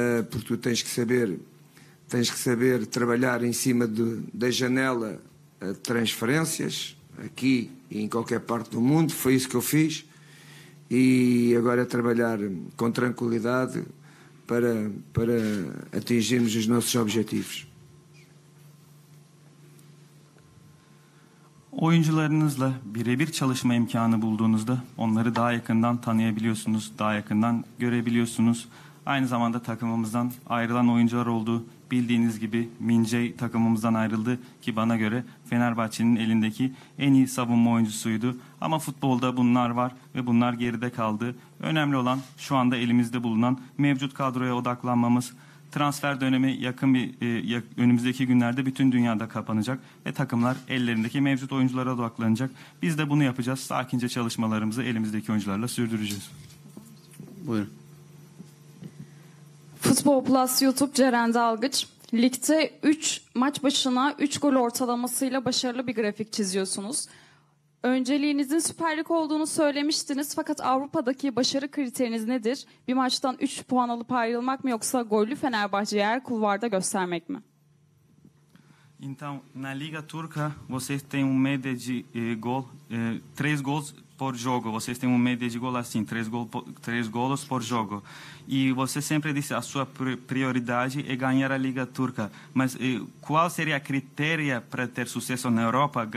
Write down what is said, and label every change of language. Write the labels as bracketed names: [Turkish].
[Portuguese] Porque tu tens que saber trabalhar em cima da janela de transferências, aqui e em qualquer parte do mundo. Foi isso que eu fiz. E agora é trabalhar com tranquilidade para atingirmos os nossos objetivos. [Turkish] Oyuncularınızla birebir çalışma imkanı bulduğunuzda onları daha yakından tanıyabiliyorsunuz, daha yakından görebiliyorsunuz. Aynı zamanda takımımızdan ayrılan oyuncular oldu. Bildiğiniz gibi Mincey takımımızdan ayrıldı ki bana göre Fenerbahçe'nin elindeki en iyi savunma oyuncusuydu. Ama futbolda bunlar var ve bunlar geride kaldı. Önemli olan şu anda elimizde bulunan mevcut kadroya odaklanmamız. Transfer dönemi önümüzdeki günlerde bütün dünyada kapanacak ve takımlar ellerindeki mevcut oyunculara odaklanacak. Biz de bunu yapacağız. Sakince çalışmalarımızı elimizdeki oyuncularla sürdüreceğiz. Buyurun. Futbol Plus YouTube, Ceren Dalgıç. Ligde 3 maç başına 3 gol ortalamasıyla başarılı bir grafik çiziyorsunuz. Önceliğinizin Süper Lig olduğunu söylemiştiniz fakat Avrupa'daki başarı kriteriniz nedir? Bir maçtan 3 puan alıp ayrılmak mı yoksa gollü Fenerbahçe yer kulvarda göstermek mi? [Portuguese] Então, na Liga Turca vocês têm um média de gol, 3 gols por jogo. Vocês têm uma média de gol assim, três golos por jogo. E você sempre disse a sua prioridade é ganhar a Liga Turca. Mas qual seria a critéria para ter sucesso na Europa?